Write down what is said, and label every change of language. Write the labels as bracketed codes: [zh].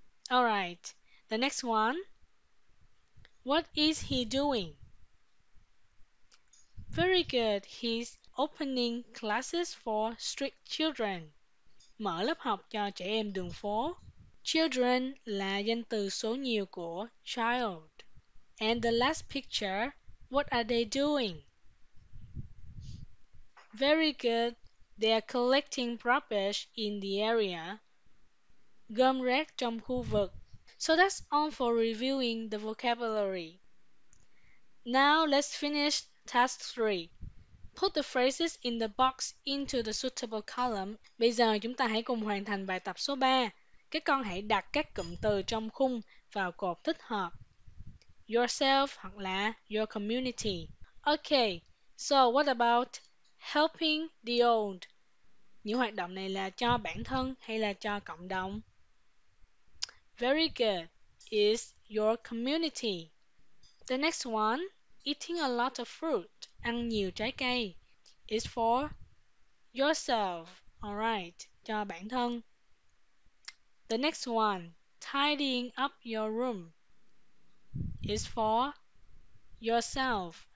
[en] Alright, the next one. What is he doing? Very good. He's opening classes for street children. [vi] Mở lớp học cho trẻ em đường phố. Children là danh từ số nhiều của child. [en] And the last picture, what are they doing? Very good. They are collecting rubbish in the area. [vi] Gom rác trong khu vực. [en] So that's all for reviewing the vocabulary. Now let's finish task 3. Put the phrases in the box into the suitable column. [vi] Bây giờ chúng ta hãy cùng hoàn thành bài tập số 3. Các con hãy đặt các cụm từ trong khung vào cột thích hợp. [en] Yourself [vi] hoặc là [en] your community. Okay, so what about helping the old? [vi] Những hoạt động này là cho bản thân hay là cho cộng đồng? [en] Very good. Is your community. The next one, eating a lot of fruit. [vi] Ăn nhiều trái cây. [en] Is for yourself. Alright, [vi] cho bản thân. [en] The next one, tidying up your room. Is for yourself.